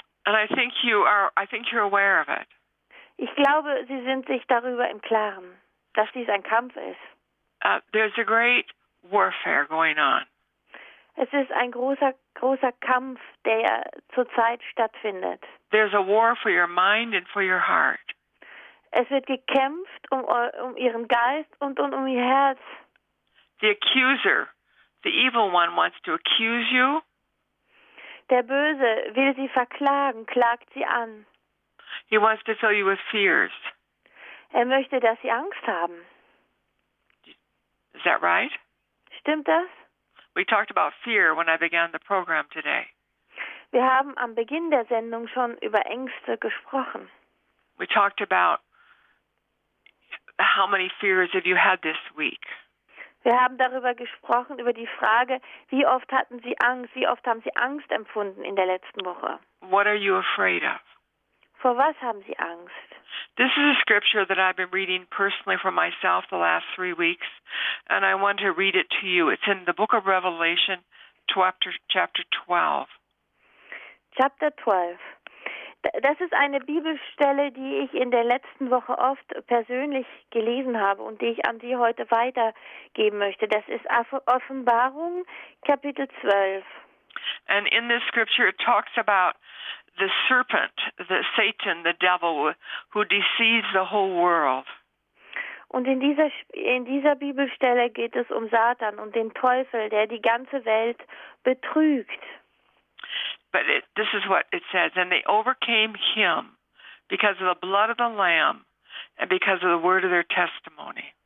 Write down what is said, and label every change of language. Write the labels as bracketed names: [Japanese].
[English] And I think you're aware of it. [German] Ich glaube, Sie sind sich darüber im Klaren, dass dies ein Kampf ist. [English] There's a great warfare going on. [German] Es ist ein großer Kampf, der zurzeit stattfindet. [English] There's a war for your mind and for your heart. [German] Es wird gekämpft um Ihren Geist und um Ihr Herz. [English] The accuser, the evil one, wants to accuse you. [German] Der Böse will Sie verklagen, klagt Sie an. [English] He wants to fill you with fears. [German] Er möchte, dass Sie Angst haben. [English] Is that right? [German] Stimmt das? [English] We talked about fear when I began the program today. [German] Wir haben am Beginn der Sendung schon über Ängste gesprochen. [English] We talked about how many fears have you had this week. [German] Wir haben darüber gesprochen, über die Frage, wie oft hatten Sie Angst, wie oft haben Sie Angst empfunden in der letzten Woche. [English] What are you afraid of? [German] Vor was haben Sie Angst? [English] This is a scripture that I've been reading personally for myself the last 3 weeks, and I want to read it to you. It's in the book of Revelation, chapter 12. Chapter 12. [German] Das ist eine Bibelstelle, die ich in der letzten Woche oft persönlich gelesen habe und die ich an Sie heute weitergeben möchte. Das ist Offenbarung, Kapitel 12. [English] And in this scripture, it talks about the serpent, the Satan, the devil, who deceives the whole world. [German] Und in dieser Bibelstelle geht es um Satan und den Teufel, der die ganze Welt betrügt. [English] But this is what it says: and they overcame him because of the blood of the Lamb and because of the word of their testimony.